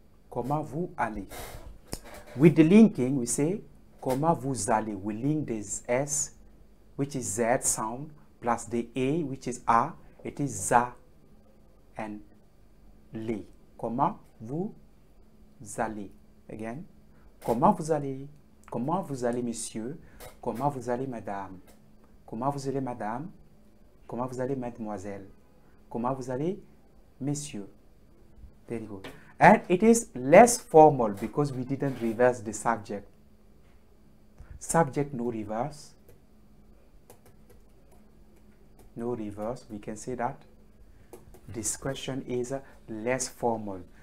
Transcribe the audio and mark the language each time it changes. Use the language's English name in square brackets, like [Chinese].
[French] Comment vous allez? [English] With the linking, we say, [French] comment vous allez? [English] We link this S, which is Z sound, plus the A, which is A, it is ZA and LE. [French] Comment vous allez? Again, comment vous allez? Comment vous allez, monsieur? Comment vous allez, madame? Comment vous allez, madame? Comment vous allez, mademoiselle? Comment vous allez, monsieur? [English] Very good. And it is less formal because we didn't reverse the subject. Subject, no reverse. No reverse. We can say that this question is less formal.